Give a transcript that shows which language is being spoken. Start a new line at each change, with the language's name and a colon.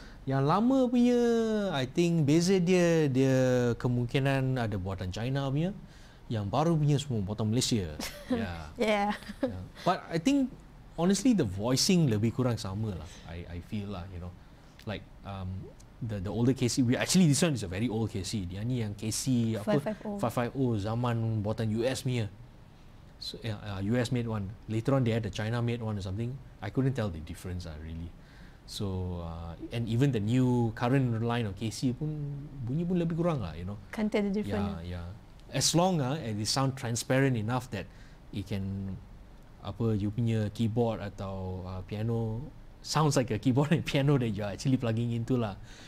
Malay: Yang lama punya,
English: I think
Malay: beza dia kemungkinan ada buatan China punya. Yang baru punya semua buatan Malaysia. Yeah.
English: But I think honestly the voicing
Malay: lebih kurang sama lah.
English: I feel lah, you know. Like the older KC, we actually this one is a very old KC.
Malay: Dia ni yang KC 550 zaman buatan US punya.
English: So, US made one. Later on, they had a China made one or something. I couldn't tell the difference, really. So, and even the new current line of KC
Malay: pun bunyi pun lebih kurang lah,
English: you know. Can't tell the difference. Yeah, yeah. As long as it sound transparent enough that it can, apa, you punya keyboard atau piano sounds like a keyboard and piano that you are actually plugging into lah.